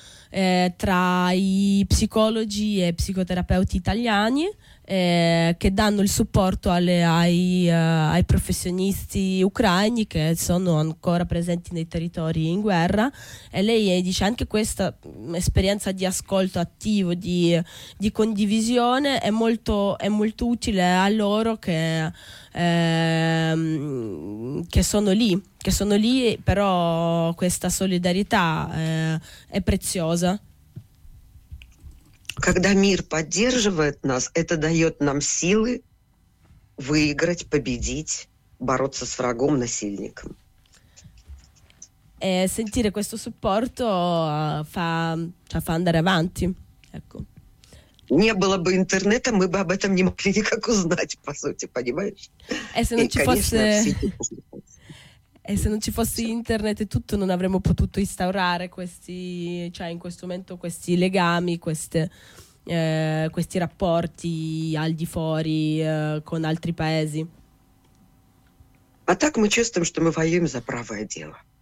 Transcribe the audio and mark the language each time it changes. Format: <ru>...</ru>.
<it>tra i psicologi e psicoterapeuti italiani che danno il supporto ai professionisti ucraini che sono ancora presenti nei territori in guerra, e lei dice anche questa esperienza di ascolto attivo, di condivisione è molto utile a loro che sono lì, però questa solidarietà è preziosa.</it> <ru>Когда мир поддерживает нас, это дает нам силы выиграть, победить, бороться с врагом, насильником.</ru> <it>E sentire questo supporto fa andare avanti. Ecco.</it> <ru>Не было бы интернета, мы бы об этом не могли никак узнать, по сути, понимаешь? Если не было</ru> <it>E se non ci fosse internet e tutto, non avremmo potuto instaurare questi, cioè in questo momento, questi legami, queste, questi rapporti al di fuori con altri paesi.</it> <ru>А так мы чувствуем, что мы воюем за правое дело.</ru>